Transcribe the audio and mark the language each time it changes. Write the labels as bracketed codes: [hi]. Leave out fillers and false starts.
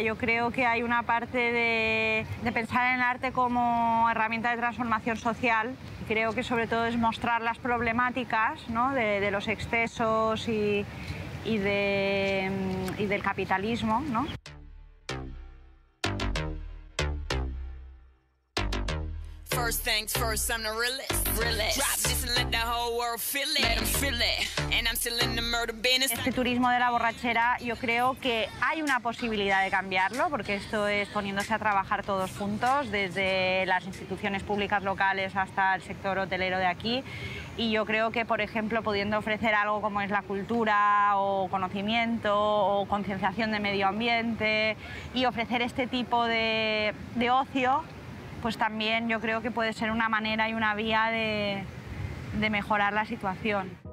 [es] Yo creo que hay una parte de pensar en el arte como herramienta de transformación social. Creo que sobre todo es mostrar las problemáticas, ¿no?, de los excesos y del capitalismo, ¿no? [en] First things first, I'm the realest. Drop this and let the whole world feel it. Let them feel it. And I'm still in the murder business. [es] Este turismo de la borrachera, yo creo que hay una posibilidad de cambiarlo, porque esto es poniéndose a trabajar todos juntos, desde las instituciones públicas locales hasta el sector hotelero de aquí. Y yo creo que, por ejemplo, pudiendo ofrecer algo como es la cultura o conocimiento o concienciación de medio ambiente y ofrecer este tipo de ocio, pues también yo creo que puede ser una manera y una vía de mejorar la situación.